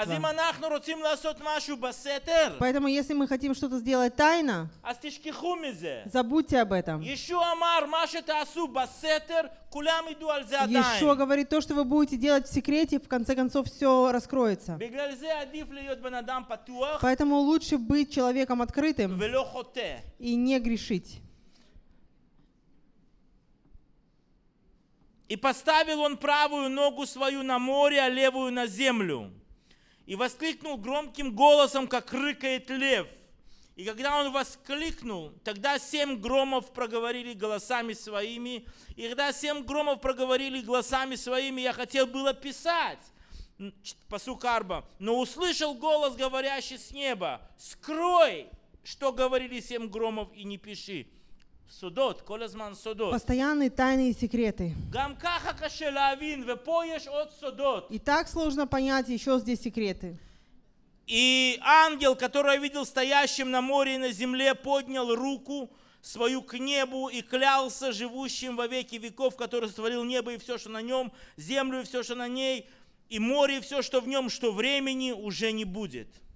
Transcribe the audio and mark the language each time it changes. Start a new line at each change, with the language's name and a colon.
Hebrew: אז אם אנחנו רוצים לעשות משהו בסתר,
Russian: поэтому если мы хотим что-то сделать тайно,
Hebrew: אז תשכחו מזה.
Russian: Забудьте об этом.
Hebrew: ישוע אמר, מה שתעשו בסתר, כולם ידעו על זה עדיין.
Russian: ישוע говорит, то, что вы будете делать в секрете, в конце концов все раскроется.
Hebrew: בגלל זה עדיף להיות בן אדם פתוח.
Russian: Поэтому лучше быть человеком открытым.
Hebrew: ולא חוטא.
Russian: И не грешить. «И поставил он правую ногу свою на море, а левую на землю. И воскликнул громким голосом, как рыкает лев. И когда он воскликнул, тогда 7 громов проговорили голосами своими. И когда 7 громов проговорили голосами своими, я хотел было писать,
Hebrew: пасук арба,
Russian: но услышал голос, говорящий с неба: скрой, что говорили 7 громов, и не пиши.
Hebrew: Судот, כל הזמן судот.
Russian: Постоянные тайные секреты.
Hebrew: גם ככה קשה להבין, ופה יש עוד судот.
Russian: И так сложно понять, еще здесь секреты. И ангел, который видел стоящим на море и на земле, поднял руку свою к небу и клялся живущим во веки веков, который сотворил небо и все, что на нем, землю и все, что на ней, и море и все, что в нем, что времени уже не будет.